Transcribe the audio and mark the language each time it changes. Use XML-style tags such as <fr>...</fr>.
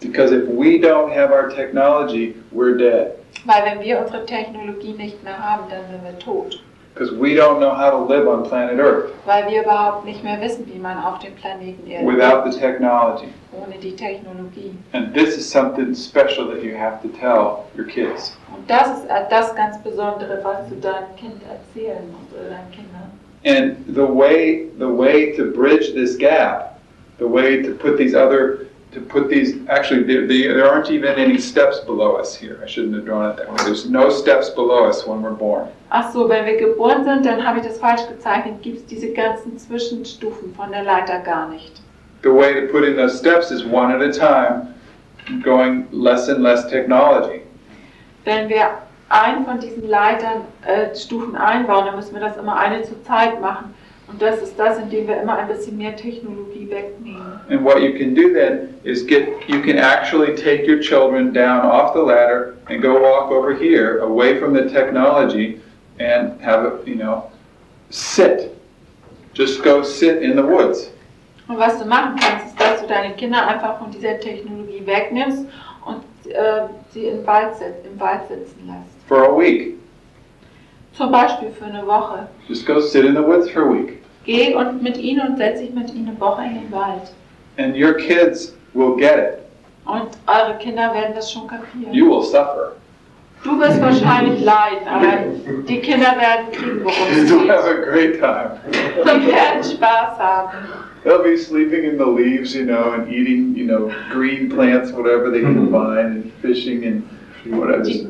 <en>Because if we don't have our technology, we're dead.</en> <de>Weil wenn wir unsere Technologie nicht mehr haben, dann sind wir tot.</de> <en>Because we don't know how to live on planet Earth.</en> <de>Weil wir überhaupt nicht mehr wissen, wie man auf dem Planeten Erde lebt.</de> <en>Without the technology.</en> <de>Ohne die Technologie.</de> <en>And this is something special that you have to tell your kids.</en> <de>Und das ist das ganz Besondere, was du deinem Kind erzählen musst oder deinen Kindern.</de> <en>And the way to bridge this gap. The way to put these other, to put these, actually, there aren't even any steps below us here. I shouldn't have drawn it that way. There's no steps below us when we're born.</en> <de>Ach so, wenn wir geboren sind, dann habe ich das falsch gezeichnet. Gibt es diese ganzen Zwischenstufen von der Leiter gar nicht.</de> <en>The way to put in those steps is one at a time, going less and less technology.</en> <de>Wenn wir einen von diesen Leitern Stufen einbauen, dann müssen wir das immer eine zur Zeit machen. Und das ist das, indem wir immer ein bisschen mehr Technologie wegnehmen.</de> <en>And what you can do then is you can actually take your children down off the ladder and go walk over here, away from the technology, and have a, you know, sit. Just go sit in the woods.</en> <de>Und was du machen kannst, ist, dass du deine Kinder einfach von dieser Technologie wegnimmst und sie im Wald sitzen lässt.</de> <en>For a week.</en> <de>Zum Beispiel für eine Woche.</de> <en>Just go sit in the woods for a week.</en> <de>Geh und mit ihnen und setz dich mit ihnen eine Woche in den Wald.</de> <en>And your kids will get it.</en> <de>Und eure Kinder werden das schon kapieren.</de> <en>You will suffer.</en> <de>Du wirst wahrscheinlich leiden, aber die Kinder werden kriegen, worum es geht.</de> <en>You'll have a great time.</en> <de>Und werden Spaß haben.</de> <en>They'll be sleeping in the leaves, you know, and eating, you know, green plants, whatever they can find, and fishing and whatever.</en>